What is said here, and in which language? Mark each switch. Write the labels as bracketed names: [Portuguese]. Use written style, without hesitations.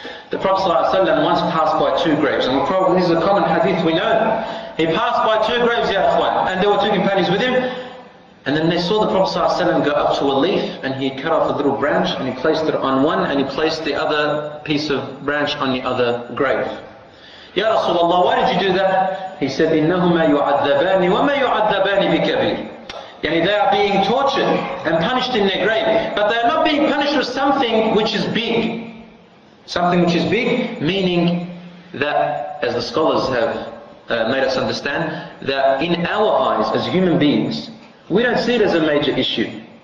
[English] The Prophet ﷺ once passed by two graves, and this is a common hadith we know. He passed by two graves, ya akhwan, and there were two companions with him. And then they saw the Prophet ﷺ go up to a leaf, and he cut off a little branch and he placed it on one, and he placed the other piece of branch on the other grave. Ya Rasulullah, why did you do that? He said, [Arabic] إِنَّهُمَا يُعَذَّبَانِ وَمَا يُعَذَّبَانِ بِكَبِيرٍ. [English] Yani they are being tortured and punished in their grave, but they are not being punished with something which is big. Something which is big, meaning that, as the scholars have made us understand, that in our eyes as human beings, we don't see it as a major issue.